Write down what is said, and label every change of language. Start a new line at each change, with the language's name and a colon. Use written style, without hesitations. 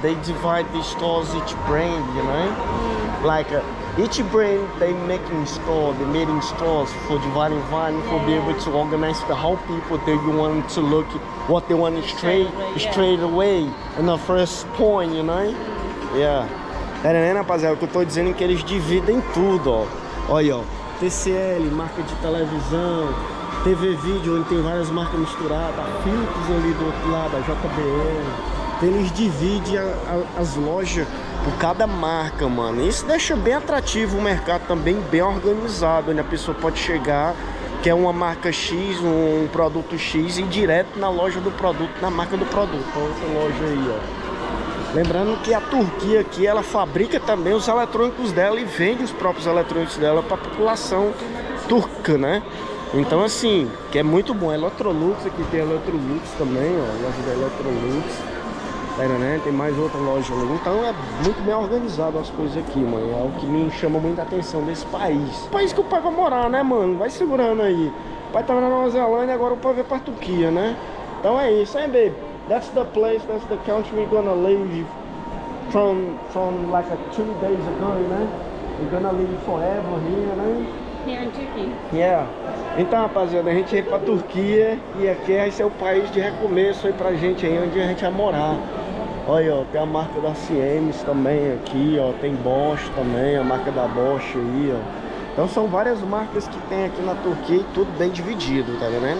English: They divide the stores each brand, you know? Like each brand they making store, they made in stores for dividing vine for be able to organize the whole people that you want to look what they want straight away in the first point, you know? Yeah.
Portuguese: Pera aí, rapaziada, o que eu tô dizendo é que eles dividem tudo, ó. Olha aí, ó. TCL, marca de televisão. TV Vídeo, onde tem várias marcas misturadas. Philips ali do outro lado, a JBL. Eles dividem as lojas por cada marca, mano. Isso deixa bem atrativo o mercado também, bem organizado. Onde a pessoa pode chegar, quer uma marca X, um produto X, e ir direto na loja do produto, na marca do produto. Outra loja aí, ó. Lembrando que a Turquia aqui, ela fabrica também os eletrônicos dela e vende os próprios eletrônicos dela para a população turca, né? Então, assim, que é muito bom. Electrolux, aqui tem Electrolux também, ó. Loja da Electrolux. Pera, né? Tem mais outra loja ali. Então, é muito bem organizado as coisas aqui, mano. É o que me chama muita atenção desse país. O país que o pai vai morar, né, mano? Vai segurando aí. O pai tava na Nova Zelândia, agora o pai veio pra Turquia, né? Então, é isso, hein, baby?
English: That's the place, that's the country we're gonna live from like a 2 days ago, né? We're gonna live forever here, né? Here in Turkey. Yeah.
Portuguese: Então, rapaziada, a gente veio pra Turquia e aqui esse é o país de recomeço aí pra gente aí, onde a gente vai morar. Olha, ó, tem a marca da Siemens também aqui, ó. Tem Bosch também, a marca da Bosch aí, ó. Então são várias marcas que tem aqui na Turquia e tudo bem dividido, tá vendo?